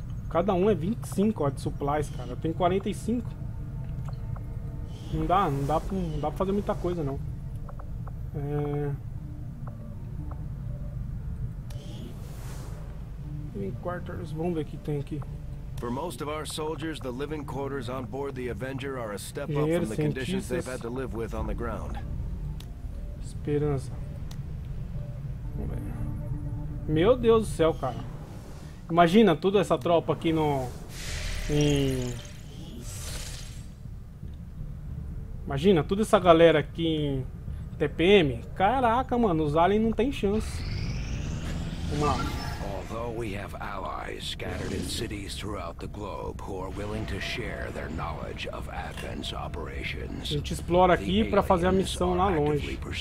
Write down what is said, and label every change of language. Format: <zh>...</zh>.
<pt>Cada um é 25, ó, de supplies, cara. Eu tenho 45. Não dá pra fazer muita coisa, não.</pt> <en>Living quarters,</en> <pt>vamos ver o que tem aqui.</pt> <en>For most of our soldiers, the living quarters on board the Avenger are a step up from the conditions they've had to live with on the ground.</en> <pt>Esperança. Vamos ver. Meu Deus do céu, cara. Imagina toda essa tropa aqui no. Imagina toda essa galera aqui em TPM. Caraca, mano, os aliens não tem chance. Vamos lá.</pt> <en>Although we have allies scattered in cities throughout the globe who are willing to share their knowledge of Advent's operations.</en> <pt>A gente explora aqui para fazer a missão lá longe.</pt>